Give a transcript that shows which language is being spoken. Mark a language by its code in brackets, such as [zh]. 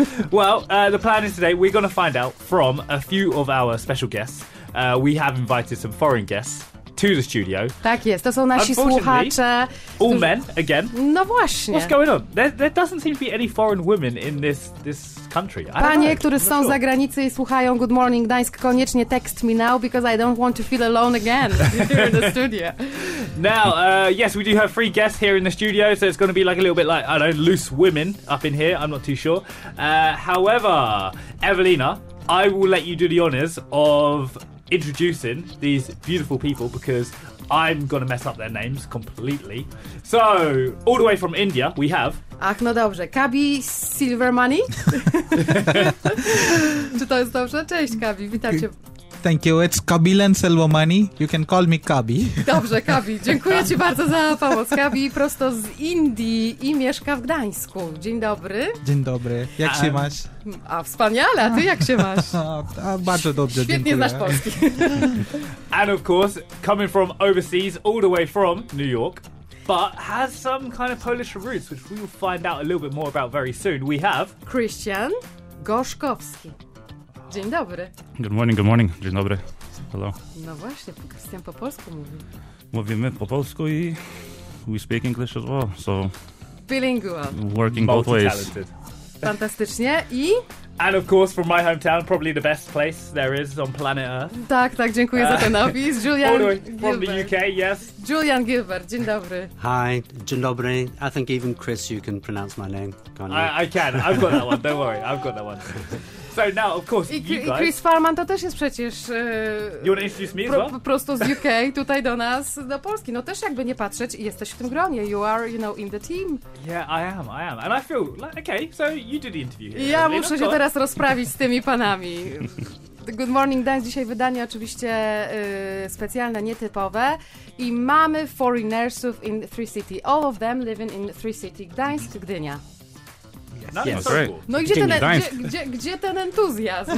[en] Well, the plan is today we're going to find out from a few of our special guests. We have invited some foreign guests to the studio. [pl] Tak jest. To są nasi słuchacze. [en] All men, again. [pl] No właśnie. [en] What's going on? There doesn't seem to be any foreign women in this country. [pl] Panie, którzy są za granicą i słuchają [en] Good Morning Gdańsk, [pl] koniecznie [en] text me now because I don't want to feel alone again here in the studio. Now, yes, we do have three guests here in the studio, so it's going to be like a little bit like, I don't know, loose women up in here. I'm not too sure. However, Evelina, I will let you do the honours of introducing these beautiful people because I'm going to mess up their names completely. So, all the way from India, we have... [pl] Ach, no dobrze. Kabi Silvermani. Czy to jest dobrze? Cześć, Kabi. Witam cię. [en] Thank you. It's Kabi Silvermani. You can call me Kabi. [pl] Dobrze, Kabi. Dziękuję ci bardzo za pomoc. Kabi prosto z Indii i mieszka w Gdańsku. Dzień dobry. Dzień dobry. Jak się masz? A wspaniale, a ty jak się masz? A bardzo dobrze, świetnie, dziękuję. Znasz polski. [en] And of course, coming from overseas, all the way from New York, but has some kind of Polish roots, which we will find out a little bit more about very soon, we have... [pl] Christian Gorzkowski. Dzień dobry. [en] Good morning, good morning. [pl] Dzień dobry. [en] Hello. [pl] No właśnie, Christian po polsku mówi. Mówimy po polsku i [en] we speak English as well, so... Bilingual. Working both ways. [pl] Fantastycznie i... [en] And of course, from my hometown, probably the best place there is on planet Earth. [pl] Tak, tak, dziękuję za ten opis. [en] Julian from Gilbert. From the UK, yes. [pl] Julian Gilbert, dzień dobry. [en] Hi, [pl] dzień dobry. [en] I think even Chris, you can pronounce my name, can't you? I can, I've got that one, don't worry, I've got that one. So now, of course, you guys... [pl] I Chris Farman to też jest przecież... [en] you want to introduce me as well? [pl] Prosto z UK, tutaj do nas, do Polski. No też jakby nie patrzeć, jesteś w tym gronie. [en] You are, you know, in the team. Yeah, I am. And I feel like, okay, so you do the interview here. [pl] Ja muszę się teraz rozprawić z tymi panami. [en] Good morning, Dan. [pl] Dzisiaj wydanie oczywiście specjalne, nietypowe. I mamy [en] foreigners in Three City. All of them living in Three City. Gdańsk, Gdynia. Yes. Yes. [pl] No i gdzie ten entuzjazm?